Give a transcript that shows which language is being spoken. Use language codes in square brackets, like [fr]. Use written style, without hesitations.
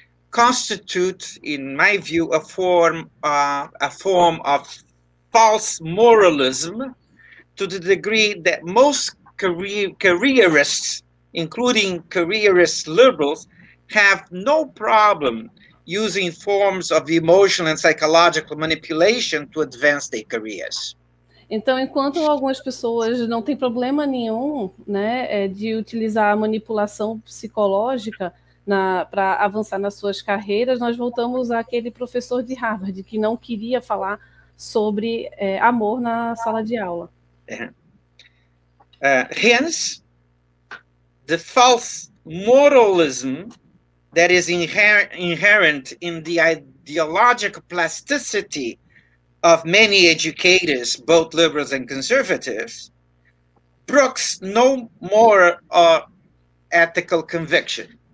[en] constitutes, in my view, a form of false moralism, to the degree that most careerists, including careerist liberals, have no problem using forms of emotional and psychological manipulation to advance their careers. [pt] Então, enquanto algumas pessoas não têm problema nenhum, né, de utilizar a manipulação psicológica para avançar nas suas carreiras, nós voltamos àquele professor de Harvard que não queria falar sobre amor na sala de aula. [en] Hence, the false moralism that is inherent in the ideological plasticity of many educators, both liberals and conservatives, brooks no more ethical conviction.